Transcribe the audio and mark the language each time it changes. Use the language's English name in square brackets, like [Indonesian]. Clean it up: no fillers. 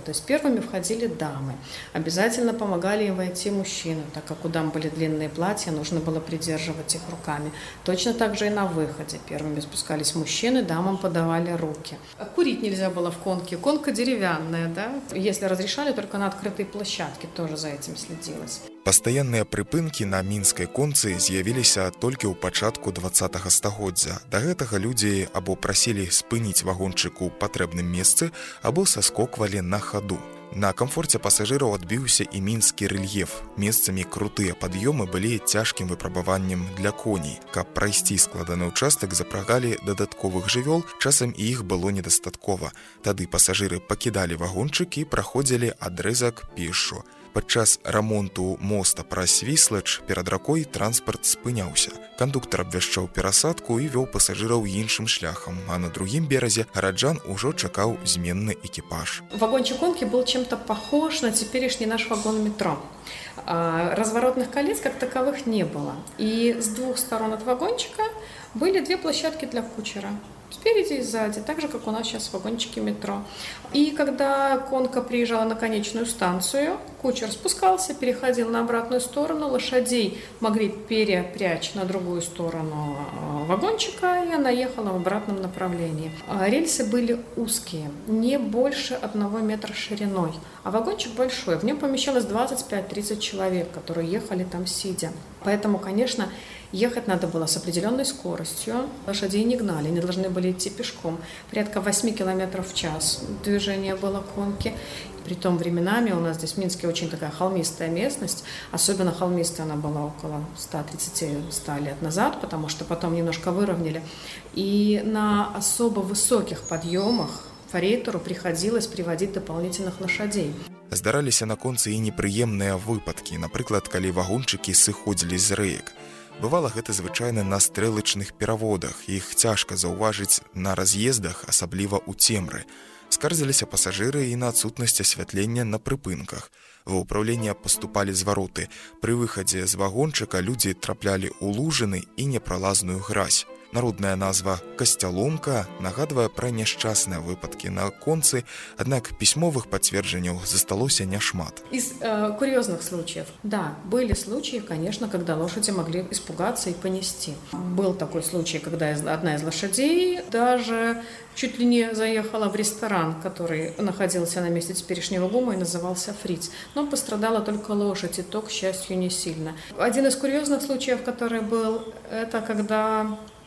[Russian] То есть первыми входили дамы, обязательно помогали им войти мужчины, так как у дам были длинные платья, нужно было придерживать их руками. Точно так же и на выходе. Первыми спускались мужчины, дамам подавали руки. А курить нельзя было в конке. Конка деревянная, да? Если разрешали, только на открытой площадке, тоже за этим следилось. [Belarusian] Пастаянныя прыпынкі на мінскай концы з'явіліся толькі ў пачатку 20-га стагоддзя. Да гэтага людзі або прасілі спыніць вагончык у патрэбным месцы, або саскоквалі на хаду. На камфорце пасажыраў адбіўся і мінскі рэльеф. Месцамі крутыя пад'ёмы былі цяжкім выпрабаваннем для коней. Каб прайсці складаны ўчастак, запрагалі дадатковых жывёл, часам і іх было недастаткова. Тады пасажыры пакідалі вагончык і праходзілі адрэзак пешшу. Падчас рамонту моста праз Свіслач перад ракой транспарт спыняўся. Кандуктар абвяшчаў перасадку і вёў пасажыраў іншым шляхам, а на другім беразе гараджан ужо чакаў зменны экіпаж. Вагончык конкі быў чым-то пахож на цяперішні наш вагон метро. [Russian] Разворотных колец как таковых не было. И с двух сторон от вагончика были две площадки для кучера. Спереди и сзади, так же, как у нас сейчас вагончики метро. И когда конка приезжала на конечную станцию, кучер спускался, переходил на обратную сторону, лошадей могли перепрячь на другую сторону вагончика, и она ехала в обратном направлении. Рельсы были узкие, не больше 1 метра шириной. А вагончик большой, в нем помещалось 25-30 человек, которые ехали там сидя. Поэтому, конечно, ехать надо было с определенной скоростью. Лошадей не гнали, они должны были идти пешком. Порядка 8 километров в час движение было конки. Притом временами у нас здесь в Минске очень такая холмистая местность. Особенно холмистая она была около 130-100 лет назад, потому что потом немножко выровняли. И на особо высоких подъемах фарейтору приходилось приводить дополнительных лошадей. [Belarusian] Здараліся на концы і непрыемныя выпадкі, напрыклад, калі вагончыкі сыходзілі з рэек. Бывала гэта звычайна на стрэлачных пераводах, іх цяжка заўважыць на раз'ездах, асабліва ў цемры. Скардзіліся пасажыры і на адсутнасць асвятлення на прыпынках. Ва ўпраўленне паступалі звароты. Пры выхадзе з вагончыка людзі траплялі ў лужыны і непралазную гразь. Народная назва «касцяломка» нагадвае пра няшчасныя выпадкі на концы, аднак пісьмовых пацверджанняў засталося няшмат. [Russian] Из курьёзных случаев. Да, были случаи, конечно, когда лошади могли испугаться и понести. Был такой случай, когда одна из лошадей даже чуть ли не заехала в ресторан, который находился на месте теперешнего ГУМа и назывался «Фриц». Но пострадала только лошадь, и то, к счастью, не сильно. Один из курьёзных случаев, который был, это когда...